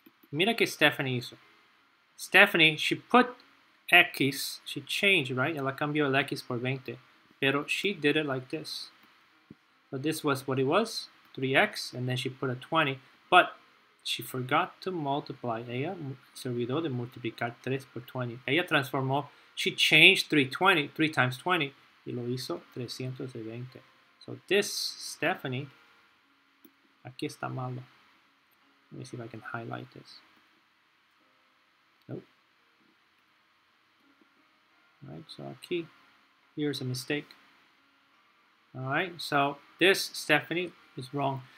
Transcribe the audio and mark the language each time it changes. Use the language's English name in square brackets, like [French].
[Spanish] Mira que Stephanie hizo. [English] Stephanie, she put x, she changed, right? [Spanish] Ella cambió el x por 20. Pero [English] she did it like this. So this was what it was. 3x, and then she put a 20, but she forgot to multiply. [Spanish] Ella se olvidó de multiplicar 3 por 20. Ella transformó, [English] she changed 320, 3 times 20, [Spanish] y lo hizo 320. [English] So this, [Spanish] Stephanie, aquí está malo. [English] Let me see if I can highlight this. Nope. All right, so aquí, here's a mistake. All right, so this, Stephanie, is wrong.